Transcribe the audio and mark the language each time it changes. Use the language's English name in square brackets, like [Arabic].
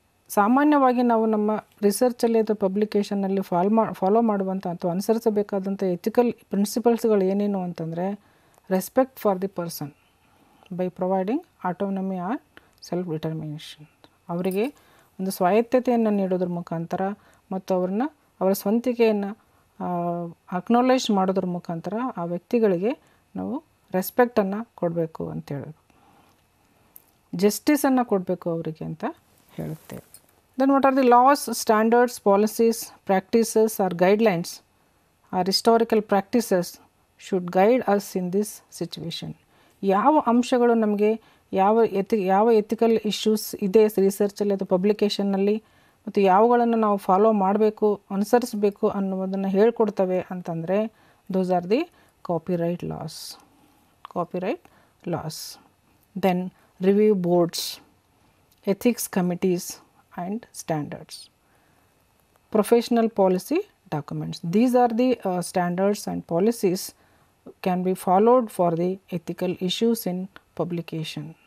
[Kannada] ಸಾಮಾನ್ಯವಾಗಿ ನಾವು ನಮ್ಮ ರಿಸರ್ಚಲ್ಲಿ ಅಥವಾ ಪಬ್ಲಿಕೇಷನ್ನಲ್ಲಿ ಫಾಲೋ ಮಾಡುವಂಥ ಅಥವಾ ಅನುಸರಿಸಬೇಕಾದಂಥ ಎಥಿಕಲ್ ಪ್ರಿನ್ಸಿಪಲ್ಸ್ಗಳು ಏನೇನು ಅಂತಂದರೆ [English] respect for the person by providing autonomy or self determination, [Kannada] ಅವರಿಗೆ ಒಂದು ಸ್ವಾಯತ್ತತೆಯನ್ನು ನೀಡೋದ್ರ ಮುಖಾಂತರ ಮತ್ತು ಅವರ ಸ್ವಂತಿಕೆಯನ್ನು ಅಕ್ನಾಲೇಜ್ ಮಾಡೋದ್ರ ಮುಖಾಂತರ ಆ ವ್ಯಕ್ತಿಗಳಿಗೆ ನಾವು ರೆಸ್ಪೆಕ್ಟನ್ನು ಕೊಡಬೇಕು ಅಂತ ಹೇಳೋದು, ಜಸ್ಟಿಸನ್ನು ಕೊಡಬೇಕು ಅವರಿಗೆ ಅಂತ ಹೇಳುತ್ತೆ. [English] Then what are the laws, standards, policies, practices or guidelines or historical practices should guide us in this situation? [Kannada] ಯಾವ ಅಂಶಗಳು ನಮಗೆ ಯಾವ ಯಾವ ಎಥಿಕಲ್ ಇಶ್ಯೂಸ್ ಇದೆ ರಿಸರ್ಚಲ್ಲಿ ಅಥವಾ ಪಬ್ಲಿಕೇಷನ್ನಲ್ಲಿ ಮತ್ತು ಯಾವಗಳನ್ನು ನಾವು ಫಾಲೋ ಮಾಡಬೇಕು ಅನುಸರಿಸಬೇಕು ಅನ್ನೋದನ್ನು ಹೇಳ್ಕೊಡ್ತವೆ ಅಂತಂದರೆ [English] Those are the copyright laws. Copyright laws, then review boards, ethics committees and standards, professional policy documents. These are the standards and policies can be followed for the ethical issues in publication.